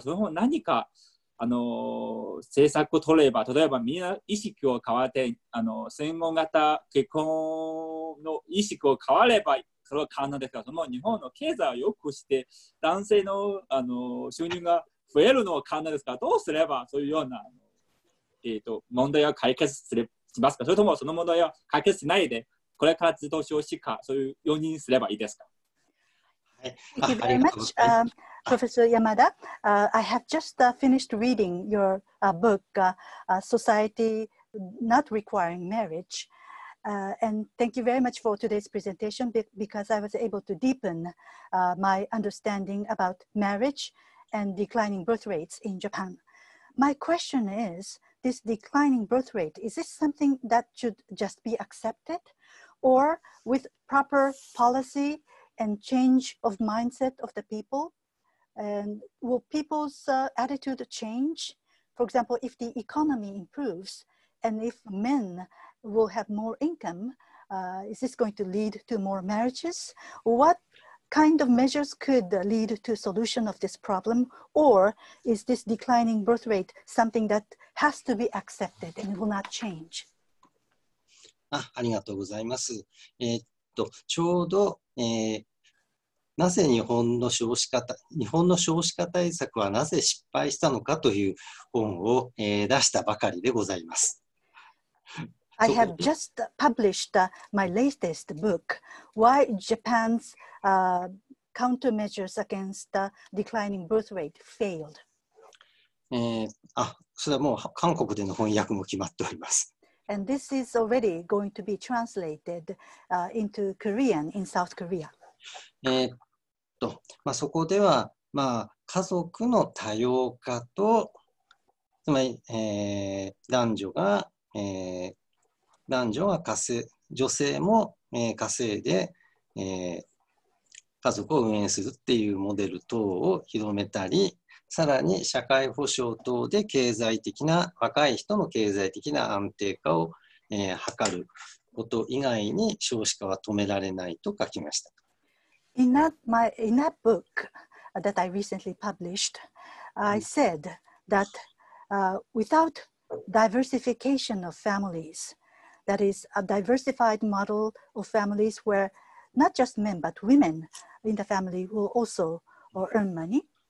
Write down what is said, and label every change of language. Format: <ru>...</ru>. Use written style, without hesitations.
<ja>その方何か政策を取れば、例えばみんな意識を変わって戦後型結婚の意識を変わればそれは可能ですが、その日本の経済を良くして男性 の, 収入が増えるのは可能ですが、どうすればそういうような問題を解決しますか？それともその問題を解決しないでこれから自動消費化、そういう容認すればいいですか？はい、ありがとうございます。</ja> <en>Professor Yamada, I have just finished reading your book, Society Not Requiring Marriage. And thank you very much for today's presentation, because I was able to deepen my understanding about marriage and declining birth rates in Japan. My question is, this declining birth rate, is this something that should just be accepted? Or with proper policy and change of mindset of the people? And will people's attitude change? For example, if the economy improves and if men will have more income, is this going to lead to more marriages? What kind of measures could lead to solution of this problem? Or is this declining birth rate something that has to be accepted and will not change?</en> <ja>ありがとうございます。ちょうど、なぜ日本の少子化、日本の少子化対策はなぜ失敗したのかという本を、出したばかりでございます。</ja> <en>I have just published my latest book, Why Japan's Countermeasures Against the Declining Birth Rate Failed.</en> <ja>それはもう韓国での翻訳も決まっております。</ja> <en>And this is already going to be translated into Korean in South Korea.</en> <ja>そこでは、家族の多様化と、つまり、男女が、男女が稼い、女性も、稼いで、家族を運営するっていうモデル等を広めたり、さらに社会保障等で経済的な、若い人の経済的な安定化を、図ること以外に少子化は止められないと書きました。</ja> <en>In that book that I recently published, I said that without diversification of families, that is a diversified model of families where not just men but women in the family will also earn money,</en>